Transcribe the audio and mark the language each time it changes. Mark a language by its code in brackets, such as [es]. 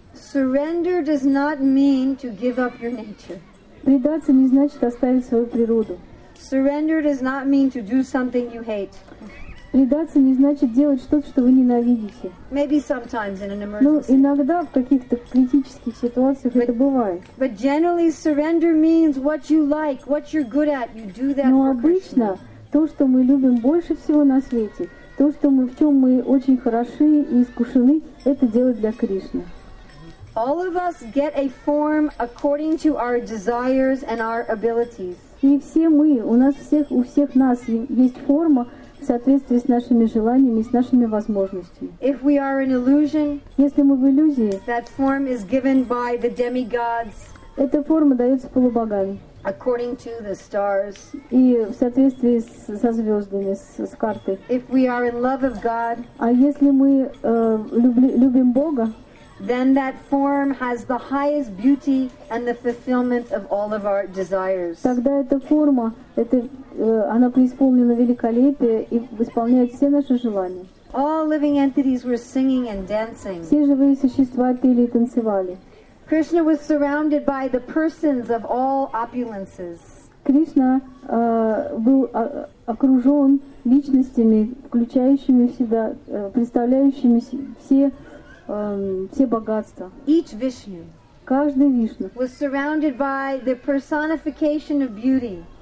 [en] Surrender does not mean to give up your nature. [ru] Предаться не значит оставить свою природу. [en] Surrender does not mean to do something you hate. [ru] Предаться не значит делать что-то, что вы ненавидите. [en] Maybe sometimes in an emergency. [ru] Ну, иногда в каких-то критических ситуациях это бывает. [en] But generally, surrender means what you like, what you're good at, you do that. [ru] Но обычно то, что мы любим больше всего на свете, то, что мы, в чем мы очень хороши и искушены, это делать для Кришны. [en] All of us get a form according to our desires and our abilities. [ru] И все мы, у нас всех, у всех нас есть форма в соответствии с нашими желаниями, с нашими возможностями. [en] If we are an illusion, [ru] если мы в иллюзии, [en] that form is given by the demigods. [ru] Эта форма дается полубогами. [en] According to the stars. [ru] И в соответствии со звездами, с картой. [en] If we are in love of God, [ru] а если мы любим Бога, [en] then that form has the highest beauty and the fulfillment of all of our desires. [ru] Тогда эта форма, она преисполнена великолепия и исполняет все наши желания. [en] All living entities were singing and dancing. [ru] Все живые существа пели и танцевали. [en] Krishna was surrounded by the persons of all opulences. [ru] Кришна был окружен личностями, включающими в себя, представляющими все все богатства. [en] Each Vishnu, [ru] каждый Вишну, [en] was surrounded by the personification of beauty.